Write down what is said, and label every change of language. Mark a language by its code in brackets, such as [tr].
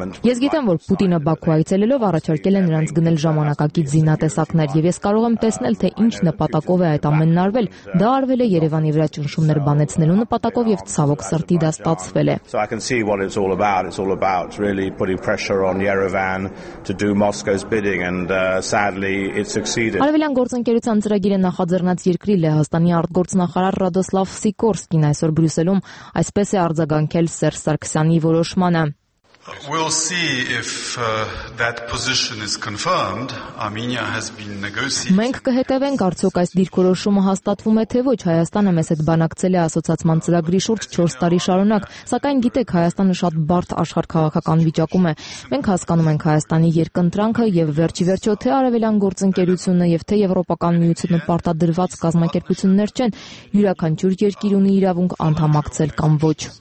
[hy] Ես գիտեմ, որ Պուտինը Բաքու այցելելով առաջարկել է նրանց գնել ժամանակակից զինատեսակներ, և ես կարող եմ տեսնել, թե ինչ նպատակով է այդ ամենն արվել։ Դա արվել է Երևանի վրա ճնշումներ բանեցնելու նպատակով, և ցավոք սրտի դա ստացվել է։ Արևելյան գործընկերության ծրագիրը նախաձեռնած երկրի Լեհաստանի արտգործնախարար Ռադոսլավ Սիկորսկին այսօր Բրյուսելում այսպես է արձագանքել Սերժ Սարգսյանի որոշմանը. [en] We'll see if that position is confirmed. Armenia has been negotiating. [hy] Մենք կհետևենք, արդյոք այս դիրքորոշումը հաստատվում է, թե ոչ։ Հայաստանը մեզ հետ բանակցել է ասոցիացիոն ծրագրի շուրջ 4 տարի շարունակ, սակայն գիտեք, Հայաստանը շատ բարդ աշխարհքաղաքական վիճակում է։ Մենք հասկանում ենք Հայաստանի երկընտրանքը և վերջիվերջո թե արևելյան գործընկերությունը և թե Եվրոպական միությունը պարտադրված կազմակերպություններ չեն, յուրաքանչյուր երկիր ունի իրավունք անդամակցել կամ ոչ։